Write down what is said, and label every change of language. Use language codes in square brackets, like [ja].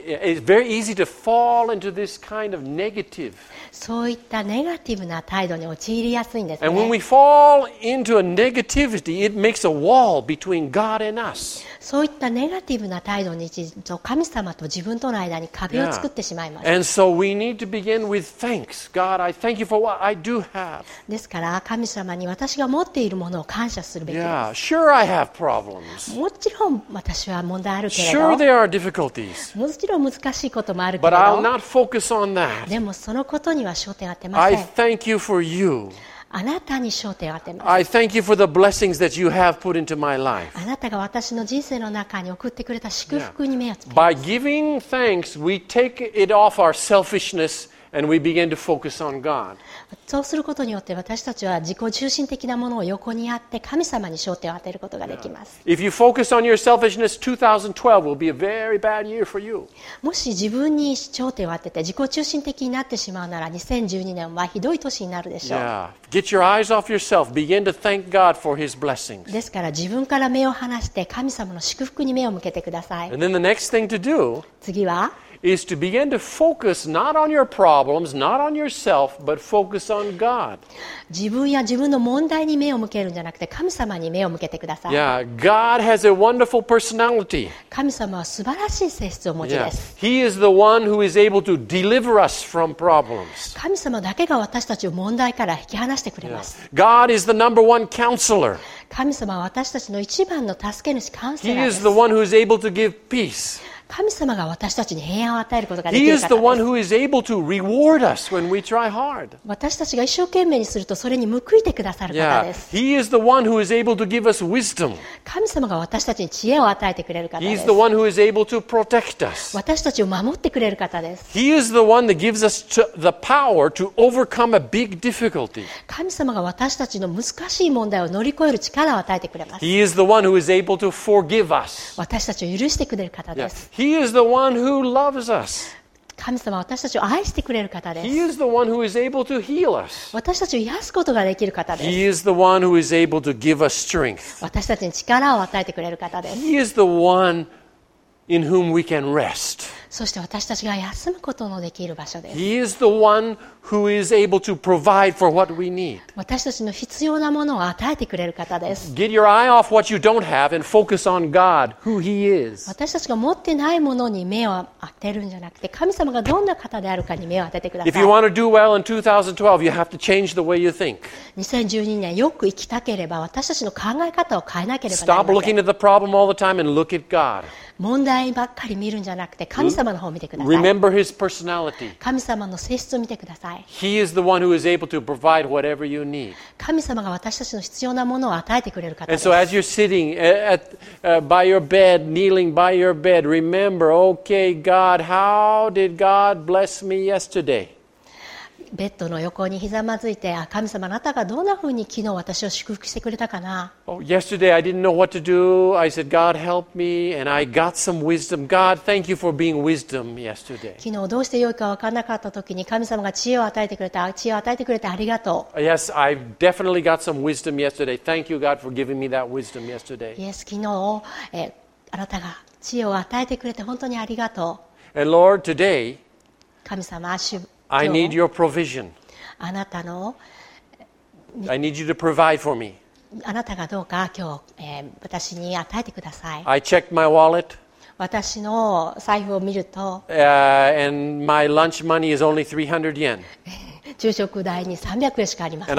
[en] It's very easy to fall into this kind of negative. [ja] そういったネガティブな態度に陥りやすいんですね。 [en] And when we fall into a negativity, it makes a wall between God and us. [ja] そういったネガティブな態度に神様と自分との間に壁を作ってしまいます。 [en] Yeah. And so we need to begin with thanks. God, I thank you for what I do have. [ja] ですから神様に私が持っているものを感謝するべきです。 [en] Yeah, sure I have problems. [ja] もちろん私は問題あるけれど。 [en] Sure there are difficulties. [ja] もちろん難しいこともあるけれど。 [en] But I'll not focus on that. [ja] でもそのことには焦点を当てません。 [en] I thank you for you. [ja] あなたに焦点を当てます。 [en] I thank you for the blessings that you have put into my life. [ja] あなたが私の人生の中に送ってくれた祝福に目をつけます。 [en] By giving thanks, we take it off our selfishness and we begin to focus on God. [ja] そうすることによって私たちは自己中心的なものを横にあって神様に焦点を当てることができます。 [en] If you focus on your selfishness, 2012 will be a very bad year for you. [ja] もし自分に焦点を当てて自己中心的になってしまうなら2012年はひどい年になるでしょう。 [en] Get your eyes off yourself. Begin to thank God for His blessings. [ja] ですから自分から目を離して神様の祝福に目を向けてください。 [en] And then the next thing to do [ja] 次は [en] is to begin to focus not on your problems, not on yourself, but focus on God. [ja] 自分や自分の問題に目を向けるんじゃなくて神様に目を向けてください。 [en] Yeah, God has a wonderful personality. [ja] 神様は素晴らしい性質を持ちです。 [en] Yeah. He is the one who is able to deliver us from problems. [ja] 神様だけが私たちを問題から引き離してくれます。 [en] Yeah. God is the number one counselor. [ja] 神様は私たちの一番の助け主、カウンセラーです。 [en] He is the one who is able to give peace. [ja] 神様が私たちに平安を与えることができる方です。 [en] He is the one who is able to reward us when we try hard. [ja] 私たちが一生懸命にするとそれに報いてくださる方です。 [en] Yeah. He is the one who is able to give us wisdom. [ja] 神様が私たちに知恵を与えてくれる方です。 [en] He is the one who is able to protect us. [ja] 私たちを守ってくれる方です。 [en] He is the one that gives us the power to overcome a big difficulty. [ja] 神様が私たちの難しい問題を乗り越える力を与えてくれます。 [en] He is the one who is able to forgive us. [ja] 私たちを許してくれる方です。 [en] Yeah.He is the one who loves us. [ja] 神様は私たちを愛してくれる方です。 [en] He is the one who is able to heal us. [ja] 私たちを癒すことができる方です。 [en] He is the one who is able to give us strength. [ja] 私たちに力を与えてくれる方です。 [en] He is the one in whom we can rest. [ja] そして私たちが休むことのできる場所です。 [en] He is the one who is able to provide for what we need. [ja] 私たちの必要なものを与えてくれる方です。 [en] Get your eye off what you don't have and focus on God, who He is. [ja] 私たちが持ってないものに目を当てるんじゃなくて、神様がどんな方であるかに目を当ててください。 [en] If you want to do well in 2012, you have to change the way you think. [ja] 2012年よく生きたければ、私たちの考え方を変えなければなりません。 [en] Stop looking at the problem all the time and look at God. [ja] 問題ばっかり見るんじゃなくて神様の方を見てください。 [en] Remember his personality. [ja] 神様の性質を見てください。 [en] He is the one who is able to provide whatever you need. [ja] 神様が私たちの必要なものを与えてくれる方です [en] 。 And so as you're sitting at, by your bed, kneeling by your bed, remember, okay, God, how did God bless me yesterday? [ja] ベッドの横にひざまずいて、あ、神様、あなたがどんなふうに昨日私を祝福してくれたかな。 [en] Oh, yesterday I didn't know what to do. I said, God help me, and I got some wisdom. God, thank you for being wisdom yesterday. [ja] 昨日どうしてよいか分からなかった時に神様が知恵を与えてくれた。知恵を与えてくれてありがとう。 [en] Yes, I definitely got some wisdom yesterday. Thank you, God, for giving me that wisdom yesterday. [ja] Yes, 昨日、あなたが知恵を与えてくれて本当にありがとう。 [en] And Lord, today, [ja] 神様、 [en] I need your provision. [ja] あなたの、 [en] I need you to provide for me. [ja] あなたがどうか今日、私に与えてください。 [en] I checked my wallet. [ja] 私の財布を見ると、 [en] and my lunch money is only 300 yen. [ja] 昼食代に300円しかありません。